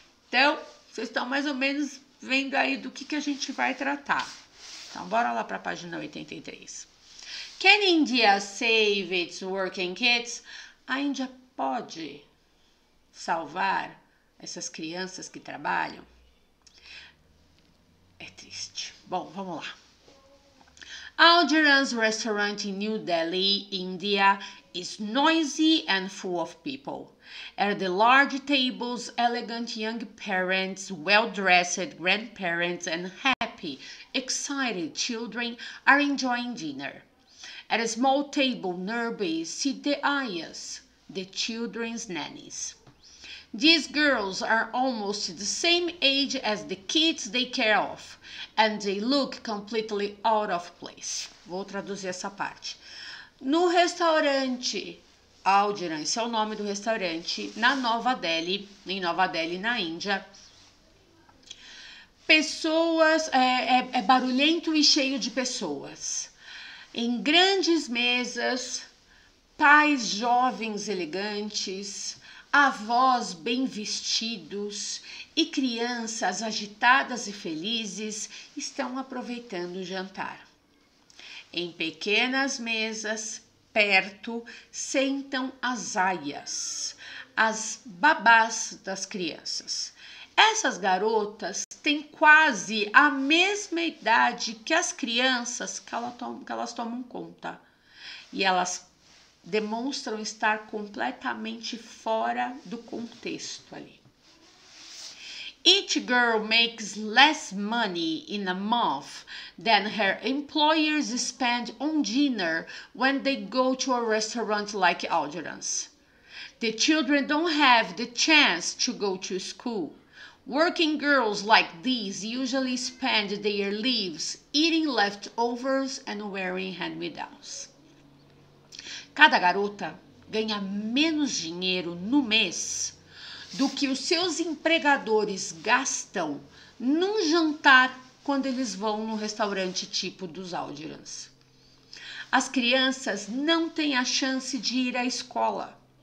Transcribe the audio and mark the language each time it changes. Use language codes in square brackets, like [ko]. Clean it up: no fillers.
[pt] Então, vocês estão mais ou menos vendo aí do que a gente vai tratar. Então, bora lá para a página 83. [en] Can India save its working kids? [pt] A Índia pode salvar essas crianças que trabalham? É triste. Bom, vamos lá. [en] Algernon's restaurant in New Delhi, India, is noisy and full of people. At the large tables, elegant young parents, well-dressed grandparents, and happy, excited children are enjoying dinner. At a small table nearby sit the ayahs, the children's nannies. These girls are almost the same age as the kids they care of, and they look completely out of place. [pt] Vou traduzir essa parte. No restaurante Algernon, esse é o nome do restaurante, na Nova Delhi, em Nova Delhi, na Índia. Pessoas, é barulhento e cheio de pessoas. Em grandes mesas, pais jovens elegantes, avós bem vestidos e crianças agitadas e felizes estão aproveitando o jantar. Em pequenas mesas, perto, sentam as aias, as babás das crianças. Essas garotas têm quase a mesma idade que as crianças que elas tomam conta. E elas demonstram estar completamente fora do contexto ali. [en] Each girl makes less money in a month than her employers spend on dinner when they go to a restaurant like Algernon's. The children don't have the chance to go to school. Working girls like these usually spend their lives eating leftovers and wearing hand-me-downs. [pt] Cada garota ganha menos dinheiro no mês do que os seus empregadores gastam num jantar quando eles vão no restaurante tipo dos Algernons. As crianças não têm a chance de ir à escola.